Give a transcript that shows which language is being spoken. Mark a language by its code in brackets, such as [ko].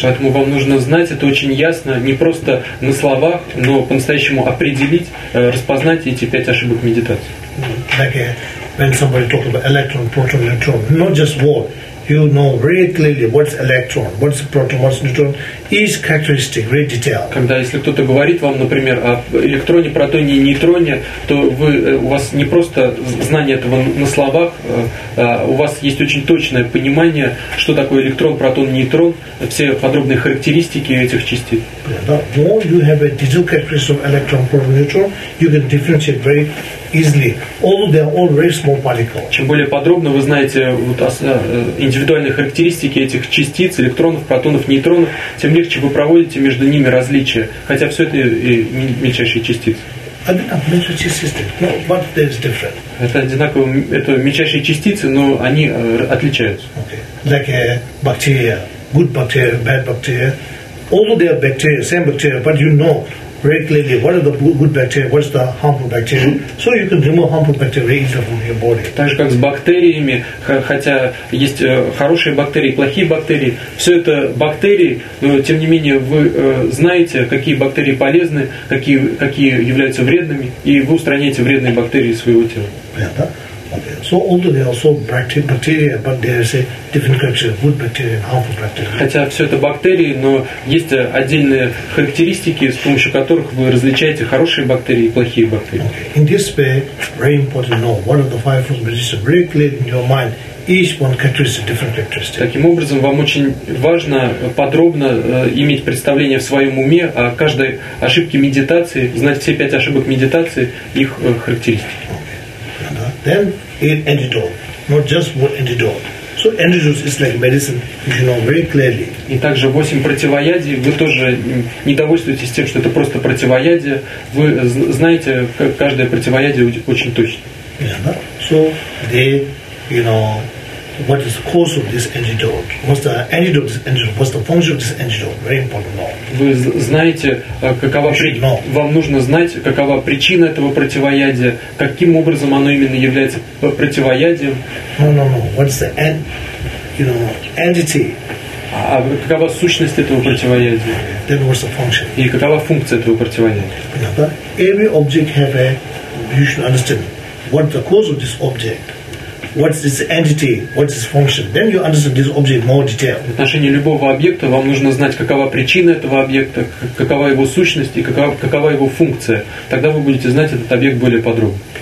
[ru] Поэтому вам нужно знать это очень ясно, не просто на словах, но по-настоящему определить, распознать эти пять ошибок медитации. [en] Like when somebody talks about electron, proton, neutron, not just what. You know very clearly what's electron, what's proton, what's neutron, each characteristic, very detailed. [ru] Когда если кто-то говорит вам, например, о электроне, протоне и нейтроне, то вы, у вас не просто знание этого на словах, у вас есть очень точное понимание, что такое электрон, протон, нейтрон, все подробные характеристики этих частиц. [en] The more you have a detailed characteristic of electron, proton, neutron, you can differentiate very easily, although they are all very small particles. [ru] Чем более подробно вы знаете вот индивидуальные характеристики этих частиц, электронов, протонов, нейтронов, тем легче вы проводите между ними различия, хотя все это и мельчайшие частицы. Это одинаковые, это мельчайшие частицы, но они отличаются. [en] Okay. Like a bacteria, good bacteria, bad bacteria. Although they are bacteria, same bacteria, but you know very clearly what are the good bacteria, what's the harmful bacteria, so you can remove harmful bacteria easily from your body. [ru] Так же как с бактериями, хотя есть хорошие бактерии, плохие бактерии, все это бактерии, но тем не менее вы знаете, какие бактерии полезны, какие являются вредными, и вы устраняете вредные бактерии из своего тела. [en] So although they are also bacteria, but there is a different character of good bacteria and harmful bacteria. [ru] Хотя все это бактерии, но есть отдельные характеристики, с помощью которых вы различаете хорошие бактерии и плохие бактерии. [en] Okay. In this way, very important to know what are the five forms of meditation. Very clear in your mind, each one characteristic is a different characteristic. [ru] Таким образом, вам очень важно подробно иметь представление в своем уме о каждой ошибке медитации, знать все пять ошибок медитации, их характеристики. [en] Then eat antidote, not just what antidote. So antidote is like medicine, you should know very clearly. [ru] И также восемь противоядий. Вы тоже не довольствуетесь тем, что это просто противоядие. Вы знаете, как каждое противоядие очень точно. [en] So they, you know, what is the cause of this antidote? What's the antidote? This antidote. What's the function of this antidote? Very important to know. [ru] Вы знаете, какова вам нужно знать, какова причина этого противоядия, каким образом оно именно является противоядием? [en] No. What's the entity? [ru] А какова сущность этого противоядия? [en] Then what's the function? [ru] И какова функция этого противоядия? [en] Every object have a, you should understand what the cause of this object. What's its entity? What's its function? Then you understand this object more detail. [ru] В отношении любого объекта вам нужно знать, какова причина этого объекта, какова его сущность и какова его функция. Тогда вы будете знать этот объект более подробно.